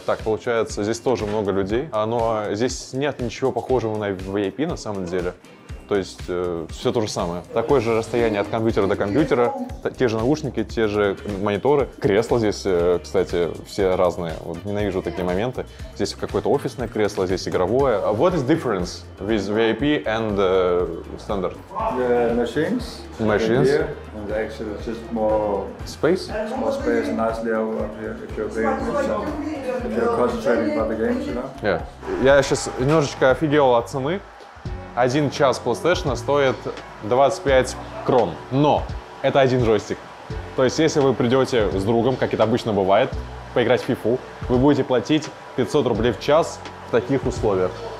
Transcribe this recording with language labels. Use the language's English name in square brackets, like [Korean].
[Russian] Так, получается, здесь тоже много людей. Но здесь нет ничего похожего на VIP на самом деле. То есть все то же самое. Такое же расстояние от компьютера до компьютера. Те же наушники, те же мониторы. Кресла здесь, кстати, все разные. Вот ненавижу такие моменты. Здесь какое-то офисное кресло, здесь игровое. [English] What is difference with VIP and standard? The machines. Machines. And the actual just more space. More space, nice layout up here. If you're concentrating about the games, you know? [Russian] Yeah. Я сейчас немножечко офигел от цены. Один час PlayStation стоит 25 крон, но это один джойстик. То есть, если вы придете с другом, как это обычно бывает, поиграть в FIFA, вы будете платить 500 рублей в час в таких условиях.